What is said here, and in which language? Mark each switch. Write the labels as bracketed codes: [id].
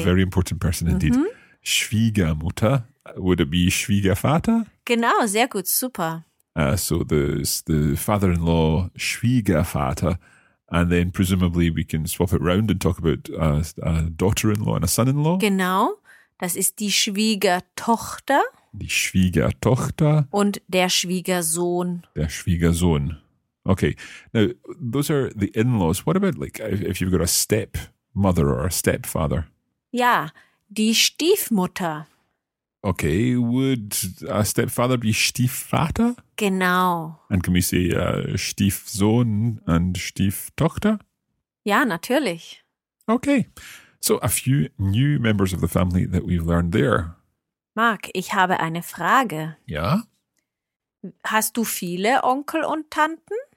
[en] A very important person indeed. Mm-hmm. Schwiegermutter. Would it be Schwiegervater? [de] Genau, sehr gut, super. [en] So the father-in-law, Schwiegervater, and then presumably we can swap it round and talk about a daughter-in-law and a son-in-law. [de] Genau, das ist die Schwiegertochter. Die Schwiegertochter. Und der Schwiegersohn. Der Schwiegersohn. [en] Okay, now those are the in-laws. What about like if you've got a stepmother or a stepfather? [de] Ja, die Stiefmutter. [en] Okay, would a stepfather be Stiefvater? [de] Genau. [en] And can we say Stiefsohn and Stieftochter? [de] Ja, natürlich. [en] Okay, so a few new members of the family that we've learned there. [de] Marc, ich habe eine Frage. Ja? Hast du viele Onkel und Tanten?